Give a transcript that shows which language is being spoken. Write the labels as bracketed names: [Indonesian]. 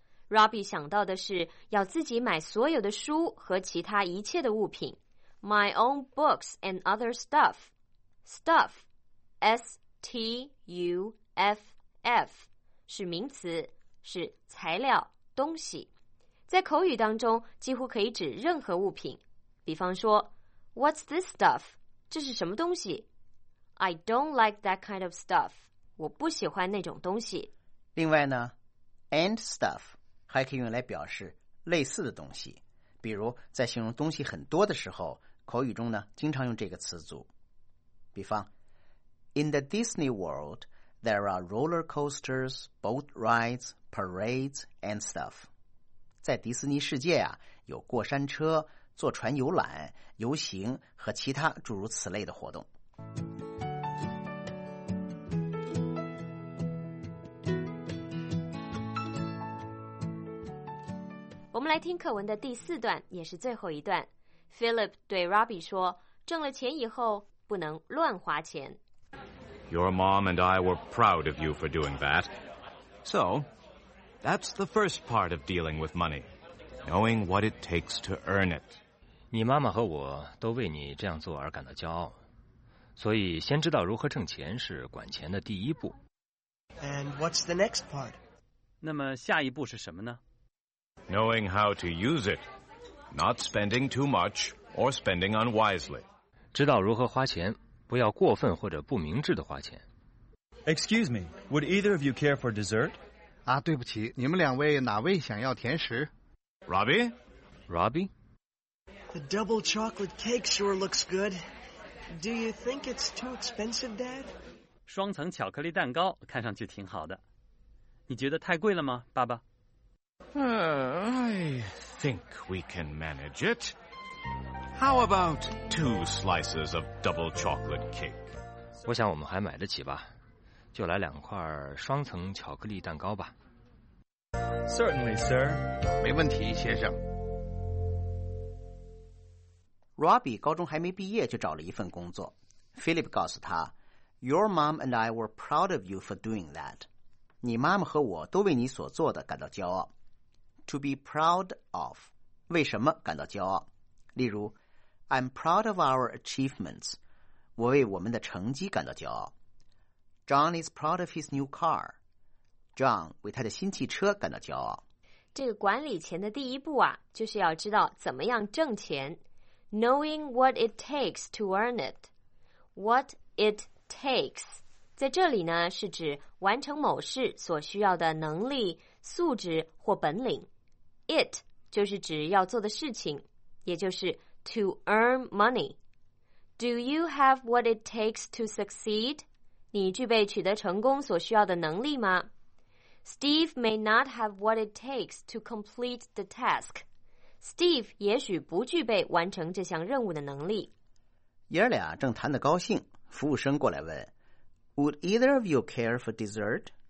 [Chinese] Robbie 想到的是要自己买所有的书和其他一切的物品， [English] My own books and other stuff, [Chinese] stuff, S-T-U-F-F 是名词，是材料、东西，在口语当中几乎可以指任何物品，比方说 [English] What's this stuff? [Chinese] 这是什么东西？ [English] I don't like that kind of stuff, [Chinese] 我不喜欢那种东西。另外呢 and stuff还可以用来表示类似的东西，比如在形容东西很多的时候，口语中呢经常用这个词组。比方 [English] In the Disney World there are roller coasters, boat rides, parades and stuff。 [Chinese] 在迪士尼世界啊，有过山车、坐船游览、游行和其他诸如此类的活动。我们来听课文的第四段，也是最后一段。Philip 对 Robbie 说，挣了钱以后不能乱花钱。 [English] Your mom and I were proud of you for doing that. So, that's the first part of dealing with money, knowing what it takes to earn it. [Chinese] 你妈妈和我都为你这样做而感到骄傲，所以先知道如何挣钱是管钱的第一步。 [English] And what's the next part? [Chinese] 那么下一步是什么呢？ [English] Knowing how to use it, not spending too much or spending unwisely. [Chinese] 知道如何花钱，不要过分或者不明智的花钱。 [English] Excuse me, would either of you care for dessert? [Chinese] 啊，对不起，你们两位哪位想要甜食？ [English] Robbie? Robbie? The double chocolate cake sure looks good. Do you think it's too expensive, Dad? [Chinese] 双层巧克力蛋糕看上去挺好的。你觉得太贵了吗，爸爸？ [English] I think we can manage it. How about two slices of double chocolate cake? [Chinese] 我想我们还买得起吧，就来两块双层巧克力蛋糕吧。 [English] Certainly, sir. [Chinese] 没问题，先生。 Robbie 高中还没毕业就找了一份工作。 [English] Philip [Chinese] 告诉他 [English] ，Your mom and I were proud of you for doing that. [Chinese] 你妈妈和我都为你所做的感到骄傲。 [English] To be proud of, [Chinese] 为什么感到骄傲？例如 [English] I'm proud of our achievements, [Chinese] 我为我们的成绩感到骄傲。 [English] John is proud of his new car, [Chinese] John 为他的新汽车感到骄傲。这个管理钱的第一步啊，就是要知道怎么样挣钱。 [English] Knowing what it takes to earn it. What it takes [Chinese] 在这里呢，是指完成某事所需要的能力、素质或本领。 It 就是指要做的事情，也就是 [English] to earn money. Do you have what it takes to succeed? [Chinese] 你具备取得成功所需要的能力吗？ [English] Steve may not have what it takes to complete the task. [Chinese] Steve 也许不具备完成这项任务的能力。爷俩正谈得高兴，服务生过来问 [English] Would either of you care for dessert?